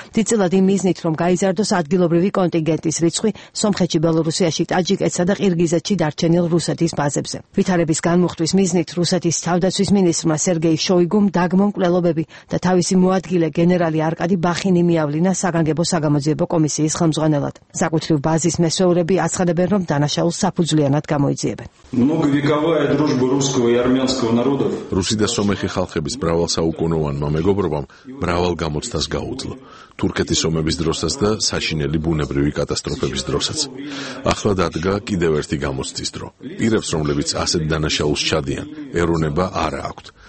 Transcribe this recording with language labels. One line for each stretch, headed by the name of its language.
Georgian: დიდწილად იმ მიზნით, რომ გაიზარდოს ადგილობრივი კონტინგენტის რიცხვი სომხეთში, ბელორუსიაში, ტაჯიკეთსა და ყირგიზეთში დარჩენილ რუსეთის ბაზებზე. ვითარების განმუხტვის მიზნით რუსეთის თავდაცვის მინისტრმა სერგეი შოიგუმ დაგმო მკვლელობები და თავისი მოადგილე გენერალი არკადი ბახინი მიავლინა საგანგებო საგამოძიებო კომისიის ხელმძღვანელად. საკუთრივ ბაზის მესვეურები აცხადებენ, რომ დანაშაულს საფუძვლიანად გამოიძიებენ.
Russian: Многовековая дружба русского и армянского народов.
Georgian: Руси და სომეხი ხალხების მრავალსაუკუნოვანმა მეგობრობამ მრავალ გამოცდას გაუძლო. თურქეთის ომების დროსაც და საშინელი ბუნებრივი კატასტროფების დროსაც. ახლა დადგა კიდევ ერთი გამოცდის დრო. პირებს, რომლებიც ასეთ დანაშაულს ჩადიან, ეროვნება არ აქვთ.